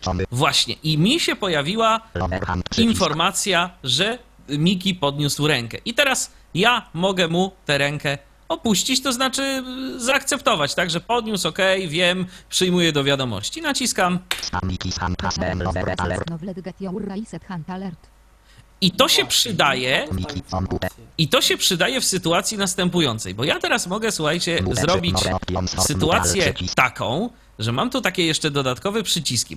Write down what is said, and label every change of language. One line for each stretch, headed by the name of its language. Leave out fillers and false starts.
Polish: właśnie, i mi się pojawiła informacja, że Miki podniósł rękę. I teraz ja mogę mu tę rękę opuścić, to znaczy zaakceptować. Także podniósł, ok, wiem, przyjmuję do wiadomości. Naciskam.
English: THE host has acknowledged your raised hand alert.
Polish: I to się przydaje. I to się przydaje w sytuacji następującej, bo ja teraz mogę, słuchajcie, zrobić sytuację taką, że mam tu takie jeszcze dodatkowe przyciski.